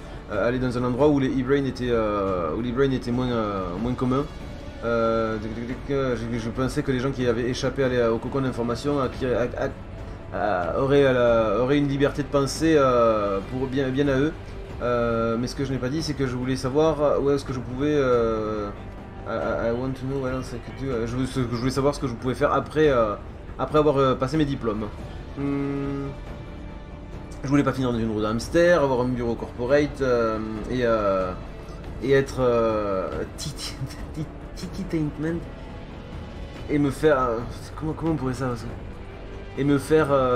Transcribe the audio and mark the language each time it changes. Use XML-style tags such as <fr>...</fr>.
<fr>Aller dans un endroit où les e-brain étaient moins communs. Je pensais que les gens qui avaient échappé au cocon d'information auraient une liberté de pensée pour bien à eux. Mais ce que je n'ai pas dit, c'est que je voulais savoir où est-ce que je pouvais.</fr> <en>I want to know what else I could do.</en> <fr>Je voulais savoir ce que je pouvais faire après avoir passé mes diplômes. Je voulais pas finir dans une roue d'hamster, avoir un bureau corporate et être titaintment et me faire comment on pourrait ça et me faire</fr>